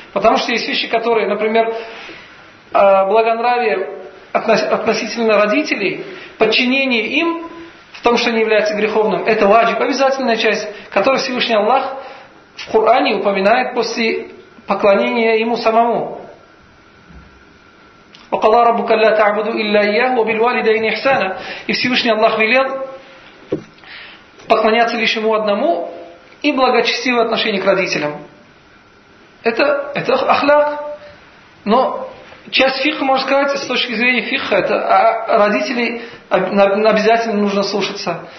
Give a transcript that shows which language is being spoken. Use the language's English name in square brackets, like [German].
[Russian] Потому что есть вещи, которые, например, благонравие относительно родителей, подчинение им в том, что не является греховным, это ваджиб, обязательная часть, которую Всевышний Аллах в Коране упоминает после поклонения ему самому. [Arabic] وقال ربك لا تعبدوا إلا إياه وبالوالدين إحسانا. [Russian] И Всевышний Аллах велел поклоняться лишь ему одному и благочестивое отношение к родителям. Это ахляк. Но часть фикха, можно сказать, с точки зрения фикха, это родителей обязательно нужно слушаться.